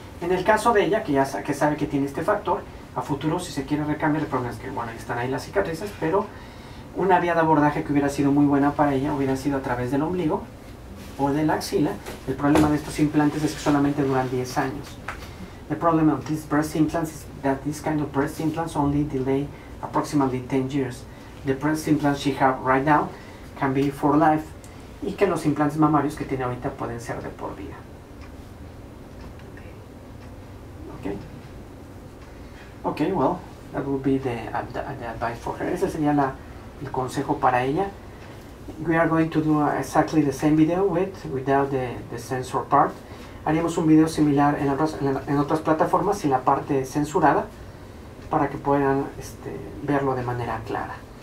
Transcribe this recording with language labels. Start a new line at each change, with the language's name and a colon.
Spanish: En el caso de ella, que ya que sabe que tiene este factor, a futuro si se quiere recambiar, el problema es que bueno, están ahí las cicatrices, pero una vía de abordaje que hubiera sido muy buena para ella hubiera sido a través del ombligo o de la axila. El problema de estos implantes es que solamente duran 10 años.
English: The problem of these breast implants is that this kind of breast implants only delay approximately 10 years. The breast implants she have right now can be for life.
Spanish: Y que los implantes mamarios que tiene ahorita pueden ser de por vida.
English: Okay, well, that would be the advice for her.
Spanish: Ese sería el consejo para ella.
English: We are going to do exactly the same video without the censor part.
Spanish: Haríamos un video similar en otras plataformas sin la parte censurada para que puedan verlo de manera clara.